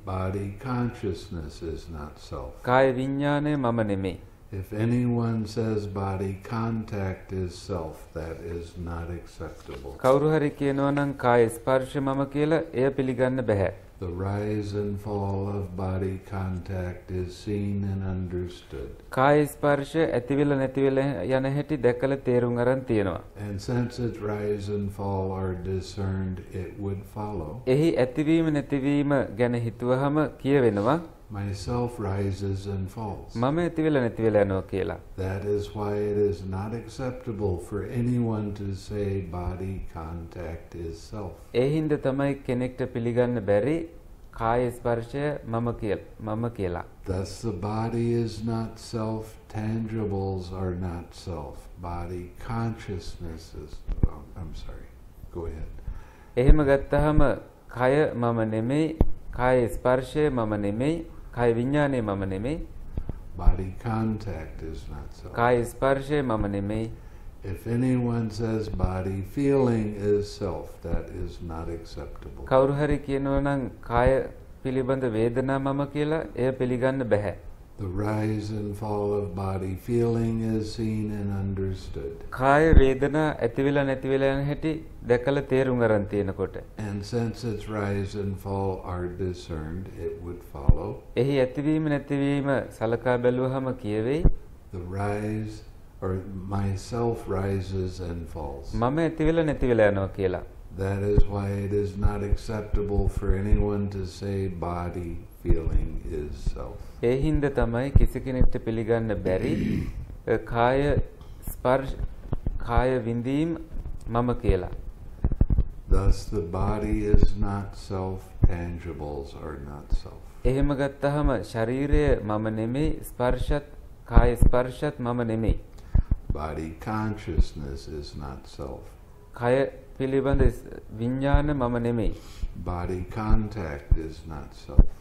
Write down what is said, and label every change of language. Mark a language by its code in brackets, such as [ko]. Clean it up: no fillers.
[en] Body consciousness is not self. [si] කාය විඥානය මම නෙමෙයි. [en] If anyone says body contact is self, that is not acceptable. [si] කවුරු හරි කියනවනම් කාය ස්පර්ශ මම කියලා එය පිළිගන්න බෑ. [en] The rise and fall of body contact is seen and understood. [si] කාය ස්පර්ශ ඇතිවිලා නැතිවිලා යන හැටි දැකලා තේරුම් අරන් තියෙනවා. [en] And since its rise and fall are discerned, it would follow. [si] එහි ඇතිවීම නැතිවීම ගැන හිතුවහම කියවෙනවා. [en] Myself rises and falls. [si] මම ඇතිවිලා නැතිවිලා යනවා කියලා. [en] That is why it is not acceptable for anyone to say body contact is self. [si] එහින්ද තමයි කෙනෙක්ට පිළිගන්න බැරි කාය ස්පර්ශය මම කියලා. [en] Thus the body is not self, tangibles are not self. Body consciousness is, oh, I'm sorry, go ahead. [si] එහෙම ගත්තහම කය මම නෙමෙයි, කාය ස්පර්ශය මම නෙමෙයි, කාය විඥානය මම නෙමෙයි. [en] Body contact is not self. [si] කාය ස්පර්ශය මම නෙමෙයි. [en] If anyone says body feeling is self, that is not acceptable. [si] කවුරු හරි කියනවා නම් කාය පිළිබඳ වේදනා මම කියලා එය පිළිගන්න බෑ. [en] The rise and fall of body feeling is seen and understood. [si] කාය වේදනා ඇතිවිලා නැතිවිලා යන හැටි දැකලා තේරුම් ගන්න තියෙනකොට. [en] And since its rise and fall are discerned, it would follow. [si] එහි ඇතිවීම නැතිවීම සලකා බැලුවහම කියවේ. [en] The rise or myself rises and falls. [si] මම ඇතිවිලා නැතිවිලා යනවා කියලා. [en] That is why it is not acceptable for anyone to say body feeling is self. [si] ඒ හින්දා තමයි කිසි කෙනෙක්ට පිළිගන්න බැරි කාය ස්පර්ශ කාය විඳීම් මම කියලා. [en] Thus the body is not self, tangibles are not self. [si] එහෙම ගත්තහම ශරීරය මම නෙමෙයි ස්පර්ශත් කාය ස්පර්ශත් මම නෙමෙයි. [en] Body consciousness is not self. [si] කය පිළිබඳ විඥාන මම නෙමෙයි. [en] Body contact is not self.